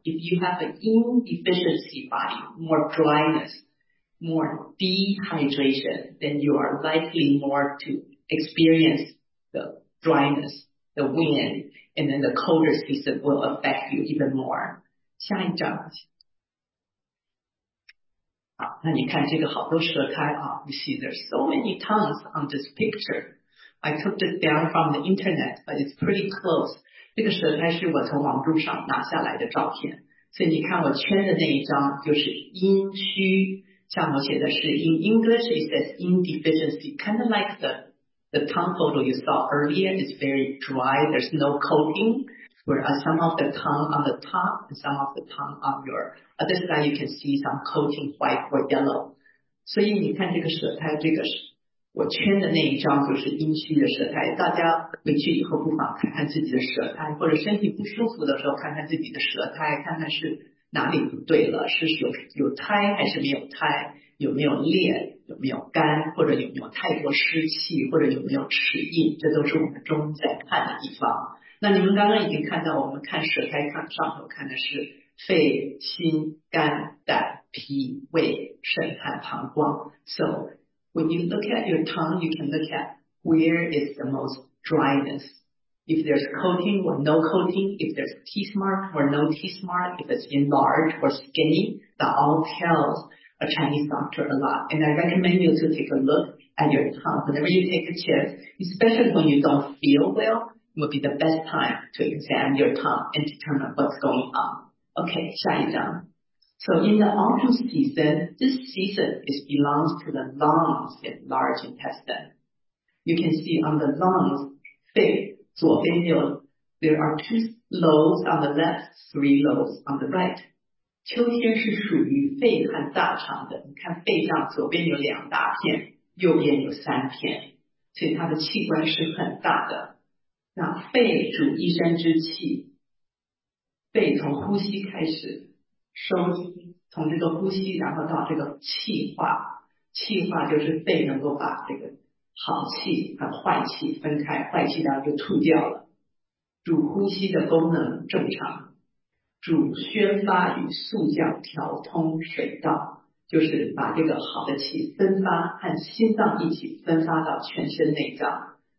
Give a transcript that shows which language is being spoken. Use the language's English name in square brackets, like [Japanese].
[English] If you have an inefficiency body, more dryness, more dehydration, then you are likely more toexperience the dryness, the wind, and then the colder season will affect you even more. [Chinese] 下一张。好，那你看这个好多舌苔啊， [English] you see there's so many tongues on this picture. I took this down from the internet, but it's pretty close. [Chinese] 这个舌苔是我从网络上拿下来的照片。所以你看我圈的那一张就是阴虚，像我写的是 [English] in English, it says in deficiency, kind of like the tongue photo you saw earlier is very dry, there's no coating, whereas some of the tongue on the top and some of the tongue on your other side, you can see some coating white or yellow. [Chinese] 所以你看这个舌苔，这个我圈的那一张就是阴虚的舌苔，大家回去以后不妨看看自己的舌苔，或者身体不舒服的时候看看自己的舌苔，看看是哪里不对了，是有苔还是没有苔，有没有裂，有没有干，或者有没有太多湿气，或者有没有齿印，这都是我们中医在看的地方。那你们刚刚已经看到，我们看舌苔看上头看的是肺、心、肝、胆、脾、胃、肾和膀胱。 [English] So when you look at your tongue, you can look at where is the most dryness. If there's coating or no coating, if there's teeth mark or no teeth mark, if it's enlarged or skinny, that all tells. A Chinese doctor a lot, and I recommend you to take a look at your tongue whenever you take a chance, especially when you don't feel well, would be the best time to examine your tongue and determine what's going on. Okay, [Chinese] 下一章。 [English] So in the autumn season, this season is belongs to the lungs and large intestine. You can see on the lungs, [Chinese] 肺左边有 [English] there are two lows on the left, three lows on the right. [Chinese] 秋天是属于肺和大肠的，你看肺脏左边有两大片，右边有三片，所以它的器官是很大的。那肺主一身之气，肺从呼吸开始收，从这个呼吸然后到这个气化，气化就是肺能够把这个好气和坏气分开，坏气然后就吐掉了，主呼吸的功能正常，主宣发与肃降，调通水道，就是把这个好的气分发和心脏一起分发到全身内脏。